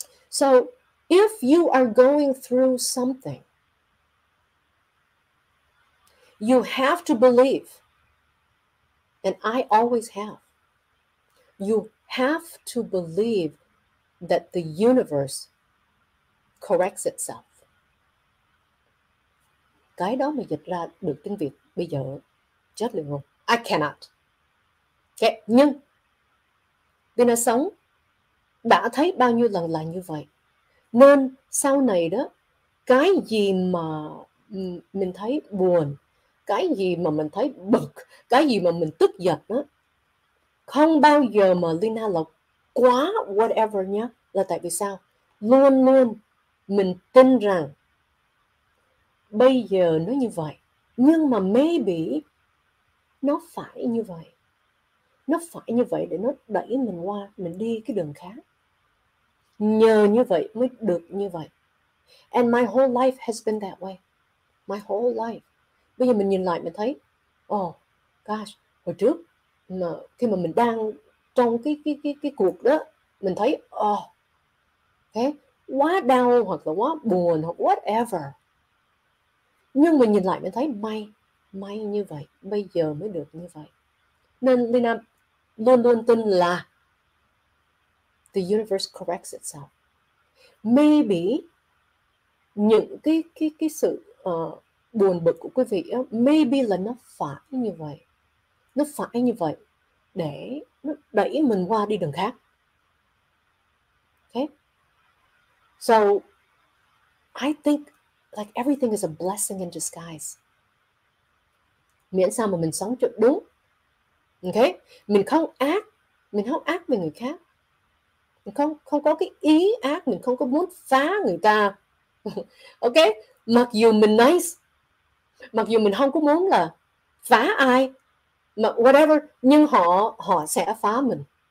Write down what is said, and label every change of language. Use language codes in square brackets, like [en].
[en] So if you are going through something, you have to believe, and I always have, you have to believe that the universe corrects itself. [vi] Cái đó mà dịch ra được tiếng Việt bây giờ chết liền luôn. [en] I cannot. [vi] Okay. Nhưng Vina sống đã thấy bao nhiêu lần là như vậy. Nên sau này đó, cái gì mà mình thấy buồn, cái gì mà mình thấy bực, cái gì mà mình tức giận đó, không bao giờ mà Lina là quá whatever nhá. Là tại vì sao? Luôn luôn mình tin rằng bây giờ nó như vậy, nhưng mà maybe nó phải như vậy. Nó phải như vậy để nó đẩy mình qua, mình đi cái đường khác. Nhờ như vậy mới được như vậy. [en] And my whole life has been that way. My whole life. [vi] Bây giờ mình nhìn lại mình thấy, oh gosh, hồi trước mà khi mà mình đang trong cái cuộc đó, mình thấy oh, okay, quá đau hoặc là quá buồn hoặc whatever. Nhưng mình nhìn lại mình thấy may, may như vậy, bây giờ mới được như vậy. Nên Lina luôn luôn tin là [en] the universe corrects itself. [vi] Maybe những cái sự buồn bực của quý vị đó, maybe là nó phải như vậy. Nó phải như vậy để nó đẩy mình qua đi đường khác. [en] Okay? So I think like everything is a blessing in disguise. [vi] Miễn sao mà mình sống cho đúng. Okay? Mình không ác với người khác. Không có cái ý ác, mình không có muốn phá người ta. Ok, mặc dù mình nice, mặc dù mình không có muốn là phá ai, mà whatever, nhưng họ sẽ phá mình.